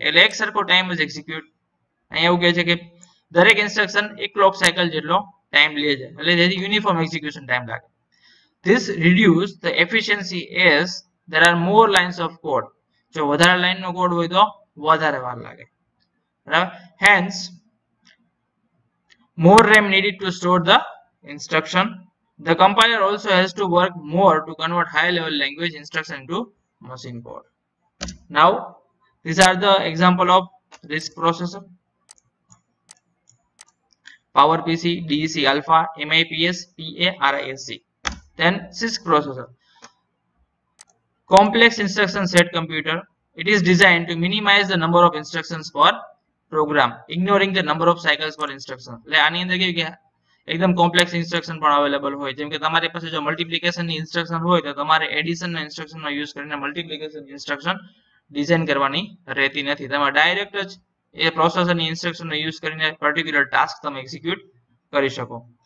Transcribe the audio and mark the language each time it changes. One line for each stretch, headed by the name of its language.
Gujarati: એટલે એક સરખો ટાઈમ જ એક્ઝિક્યુટ. અહીંયા એવું કહે છે કે દરેક ઇન્સ્ટ્રક્શન એક ક્લોક સાયકલ જેટલો ટાઈમ લે છે, એટલે જેથી યુનિફોર્મ એક્ઝિક્યુશન ટાઈમ લાગે.
English: This reduce the efficiency as there are more lines of code.
Gujarati: જો વધારે લાઇનનો કોડ હોય તો વધારે વાર લાગે, બરાબર.
English: Hence more RAM needed to store the instruction, The compiler also has to work more to convert high level language instruction into machine code. Now, these are the example of RISC processor. PowerPC, DEC Alpha, MIPS, PARISC. Then CISC processor. Complex instruction set computer. It is designed to minimize the number of instructions per program, ignoring the number of cycles per instruction.
Gujarati: એટલે આની અંદર કેવું કે એકદમ complex instruction પણ available હોય, જેમ કે તમારી પાસે જો મલ્ટીપ્લિકેશન ની ઇન્સ્ટ્રક્શન હોય તો તમારે એડિશન ના ઇન્સ્ટ્રક્શન નો યુઝ કરીને મલ્ટીપ્લિકેશન ઇન્સ્ટ્રક્શન ડિઝાઇન કરવાની રહેતી નથી. તમે ડાયરેક્ટ જ એ પ્રોસેસર ની ઇન્સ્ટ્રક્શન નો યુઝ કરીને પર્ટિક્યુલર ટાસ્ક તમે એક્ઝિક્યુટ કરી શકો.